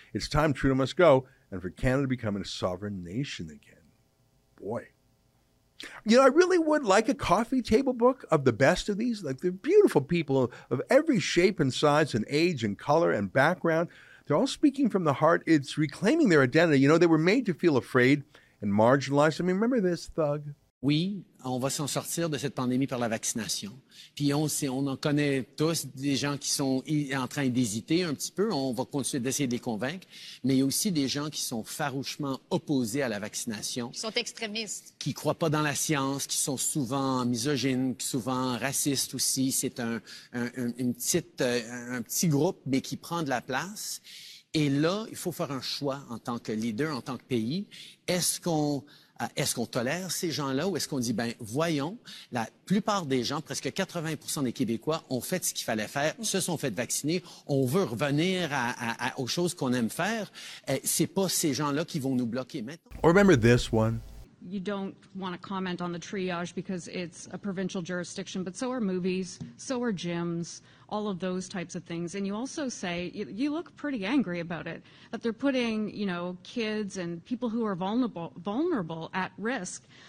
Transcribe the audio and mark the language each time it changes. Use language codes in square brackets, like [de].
[en] It's time Trudeau must go, and for Canada becoming a sovereign nation again. Boy. You know, I really would like a coffee table book of the best of these. Like, they're beautiful people of every shape and size and age and color and background. They're all speaking from the heart. It's reclaiming their identity. You know, they were made to feel afraid and marginalized. I mean, remember this, thug? [fr] Oui, on va s'en sortir de cette pandémie par la vaccination. Puis on en connaît tous des gens qui sont en train d'hésiter un petit peu. On va continuer d'essayer de les convaincre. Mais il y a aussi des gens qui sont farouchement opposés à la vaccination. Qui sont extrémistes. Qui ne croient pas dans la science, qui sont souvent misogynes, souvent racistes aussi. C'est un petit groupe, mais qui prend de la place. Et là, il faut faire un choix en tant que leader, en tant que pays. Est-ce qu'on tolère ces gens-là ou est-ce qu'on dit, ben voyons, la plupart des gens, presque 80% des Québécois, ont fait ce qu'il fallait faire, se sont fait vacciner. On veut revenir aux choses qu'on aime faire. C'est pas ces gens-là qui vont nous bloquer maintenant. [en] Remember this one. You don't want to comment on the triage because it's a provincial jurisdiction, but so are movies, so are gyms, all of those types of things. And you also say, you look pretty angry about it, that they're putting, you know, kids and people who are vulnerable at risk.